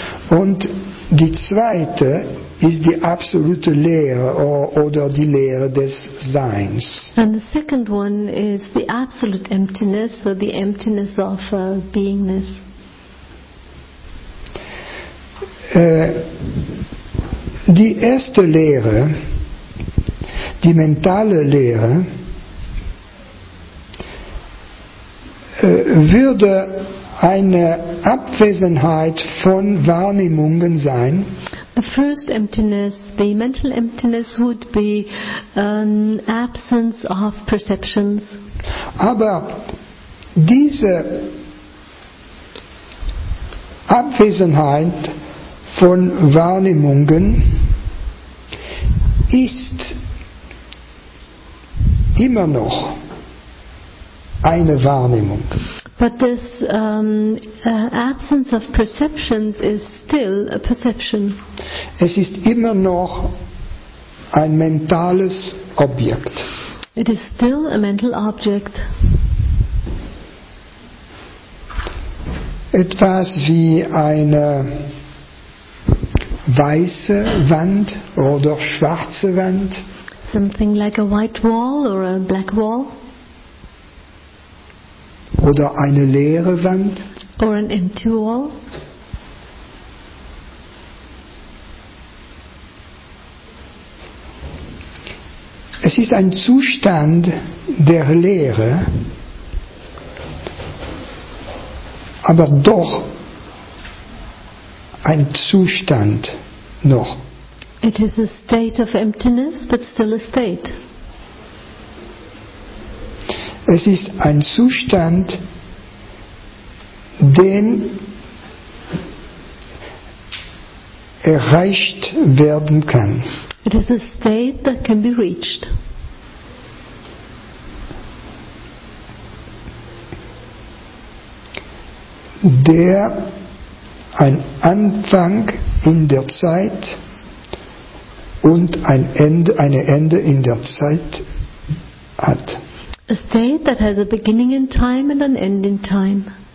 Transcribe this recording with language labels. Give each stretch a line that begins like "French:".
German: Und die zweite ist die absolute Leere oder die Leere des Seins.
English: And the second one is the absolute emptiness, or the emptiness of beingness.
German: Die erste Leere, die mentale Leere, würde eine Abwesenheit von Wahrnehmungen sein.
English: The first emptiness, the mental emptiness, would be an absence of perceptions.
German: Aber diese Abwesenheit von Wahrnehmungen ist immer noch eine Wahrnehmung.
English: But this absence of perceptions is still a perception.
German: Es ist immer noch ein mentales Objekt.
English: It is still a mental object.
German: Etwas wie eine weiße Wand oder schwarze Wand.
English: Something like a white wall or a black wall.
German: Oder eine leere Wand.
English: Or an empty wall.
German: Es ist ein Zustand der Leere, aber doch ein Zustand noch.
English: It is a state of emptiness, but still a state.
German: Es ist ein Zustand, den erreicht werden kann.
English: It is a state that can be reached.
German: Der ein Anfang in der Zeit und ein Ende, eine Ende in der Zeit hat.
English: A state that has a beginning in time and an end in time.